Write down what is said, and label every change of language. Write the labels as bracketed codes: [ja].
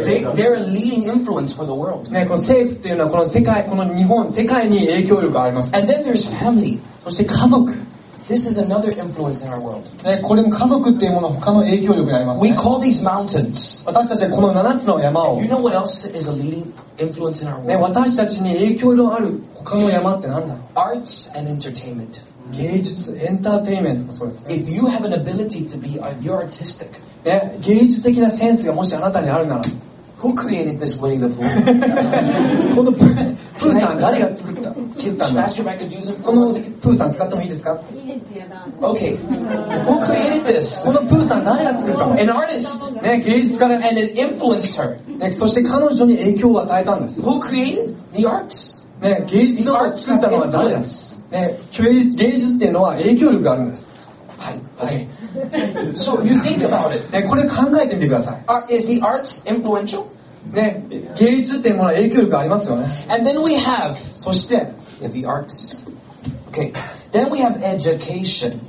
[en] They're a leading influence for the world. [ja] ね、この政府っていうのはこの世界、この日本、世界に影響力があります。 [en] And then there's family. [ja] そして家族。 [en] This is another influence in our world. [ja] ね、これも家族っていうものは他の影響力になりますね。 [en] We call these mountains. [ja] 私たちはこの7つの山を。 [en] You know what else is a leading influence in our world? [ja] ね、私たちに影響力ある他の山ってなんだろう [en] Arts and entertainment. [ja] 芸術、エンターテインメントもそうです、ね。 [en] If you have an ability to be, you're artistic. [ja] ね、芸術的なセンスがもしあなたにあるなら、 [en] Who created this Winnie the Pooh? [ja] このプーさん誰が作ったんだ。 [en] Should I could use it? [ja] このプーさん使ってもいいですか。いいですよ。 [en] Okay. Who created this? [ja] このプーさん誰が作ったの。 [en] An artist. [ja] ね、芸術家です。 [en] And it influenced her. [ja] ね、そして彼女に影響を与えたんです。 [en] Who created the arts? [ja] ね、芸術を作ったのは誰です。ね、芸術っていうのは影響力があるんです。はい。 [en] Okay. So you think about it. [ja] ね、これ考えてみてください。 [en] Is the arts influential? [ja] ね、芸術っていうものは影響力ありますよね。 [en] And then we have. [ja] そして、 [en] the arts. Okay. Then we have education.